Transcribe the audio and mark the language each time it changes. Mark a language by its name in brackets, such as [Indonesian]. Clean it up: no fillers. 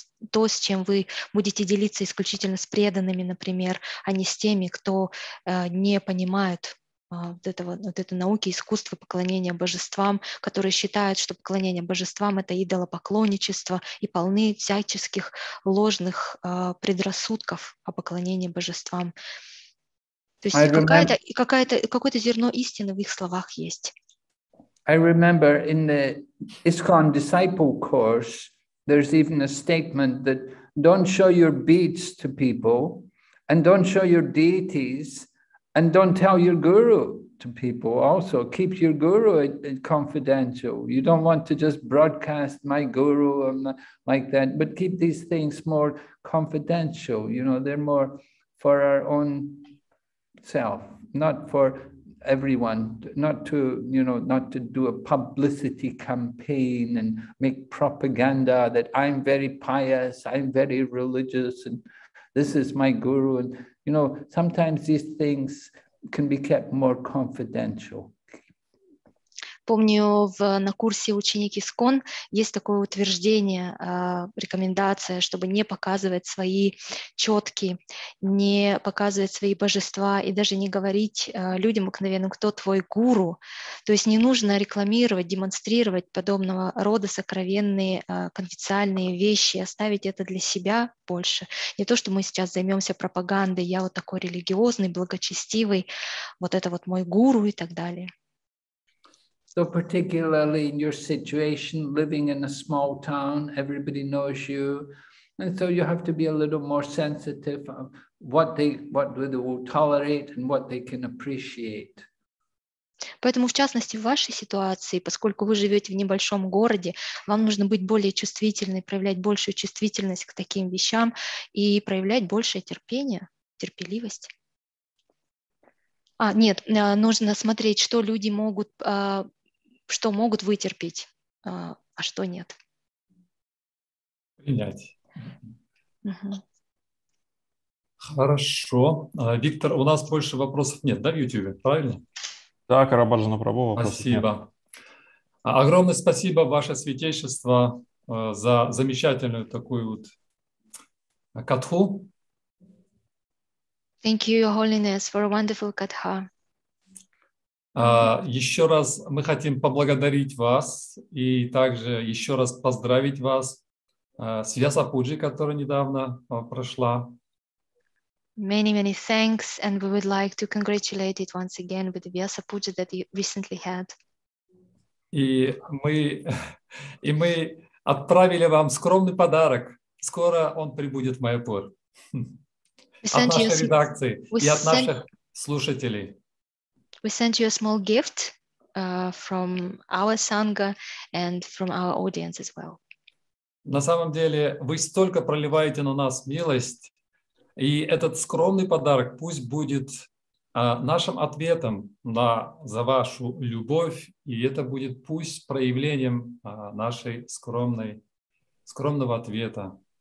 [Russian] то, с чем вы будете делиться исключительно с преданными, например, а не с теми, кто не понимает вот этой науки, искусства поклонения божествам, которые считают, что поклонение божествам — это идолопоклонничество и полны всяческих ложных предрассудков о поклонении божествам. То есть какое-то зерно истины в их словах есть. [English] I remember in the ISKCON Disciple Course, there's even a statement that don't show your beads to people and don't show your deities and don't tell your guru to people also. Keep your guru confidential. You don't want to just broadcast my guru and like that, but keep these things more confidential. You know, they're more for our own self, not for everyone, not to, you know, not to do a publicity campaign and make propaganda that I'm very pious, I'm very religious, and this is my guru. And, you know, sometimes these things can be kept more confidential. [Russian] Помню, на курсе ученик ИСККОН есть такое утверждение, рекомендация, чтобы не показывать свои четки, не показывать свои божества и даже не говорить людям мгновенно, кто твой гуру. То есть не нужно рекламировать, демонстрировать подобного рода сокровенные, конфиденциальные вещи, оставить это для себя больше. Не то, что мы сейчас займемся пропагандой, я вот такой религиозный, благочестивый, вот это вот мой гуру и так далее. [English] So particularly in your situation, living in a small town, everybody knows you, and so you have to be a little more sensitive of what they will tolerate and what they can appreciate. [Russian] Поэтому в частности в вашей ситуации, поскольку вы живете в небольшом городе, вам нужно быть более чувствительной, проявлять большую чувствительность к таким вещам и проявлять большее терпение, терпеливость. А нет, нужно смотреть, что люди могут. Что могут вытерпеть, а что нет? Принять. Угу. Хорошо. Виктор, у нас больше вопросов нет, да, в YouTube, правильно? Да, Карабаджана Прабу. Спасибо. Огромное спасибо, Ваше Святейшество, за замечательную такую вот катху. [English] Thank you, Your Holiness, for a wonderful katha. [Russian] Еще раз мы хотим поблагодарить вас и также еще раз поздравить вас с Вьясапуджи, которая недавно прошла. [English] Many, many thanks, and we would like to congratulate it once again with the Vyasapuja that you recently had. [Russian] И мы отправили вам скромный подарок. Скоро он прибудет в Майяпур. От нашей редакции и от наших слушателей. [English] We sent you a small gift from our Sangha and from our audience as well. [Russian] На самом деле, вы столько проливаете на нас милость, и этот скромный подарок пусть будет нашим ответом на за вашу любовь, и это будет пусть проявлением нашей скромного ответа.